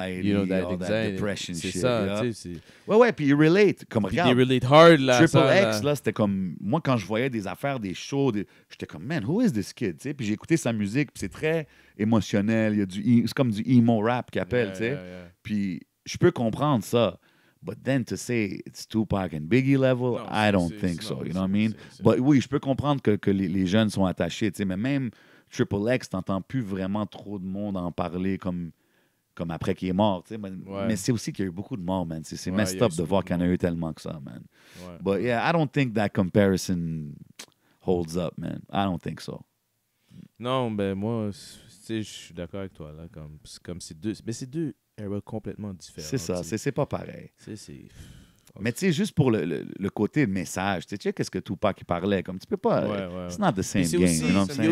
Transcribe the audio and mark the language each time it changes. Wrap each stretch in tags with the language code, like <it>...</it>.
<en>you know, that anxiety, that depression,</en> <fr>c'est</fr> <en>shit.</en> <fr>C'est ça,</fr> <en>yeah.</en> <fr>Tu sais. Ouais, ouais, puis ils relate. Comme, regarde. Ils relate hard, là. Triple X, là, c'était comme... Moi, quand je voyais des affaires, des shows, j'étais comme, man,</fr> <en>who is this kid,</en> <fr>tu sais? Puis j'ai écouté sa musique, puis c'est très émotionnel. Il y a c'est comme du emo rap qu'il appelle, tu sais.</fr> <en>Yeah.</en> <fr>Puis je peux comprendre ça.</fr> <en>But then to say it's Tupac and Biggie level, non, I don't c'est, think c'est, so. Non, you know what I mean?</en> <fr>But oui, je peux comprendre que les jeunes sont attachés, tu sais, mais même Triple X, t'entends plus vraiment trop de monde en parler comme après qu'il est mort, tu sais. Mais, ouais. mais c'est aussi qu'il y a eu beaucoup de morts, man. C'est ouais, messed up de voir qu'il y en a eu tellement que ça, man. Ouais.</fr> <en>But yeah, I don't think that comparison holds up, man. I don't think so.</en> <fr>Non, ben moi, tu sais, je suis d'accord avec toi, là. Comme c'est deux... Mais c'est deux eras complètement différentes. C'est ça, c'est pas pareil. C'est... Mais tu sais, juste pour le côté de message, tu sais, qu'est-ce que Tupac il parlait, comme tu peux pas... Ouais, ouais.</fr> <en>It's not the same game,</en> <fr>aussi,</fr> <en>you know what I'm saying?</en>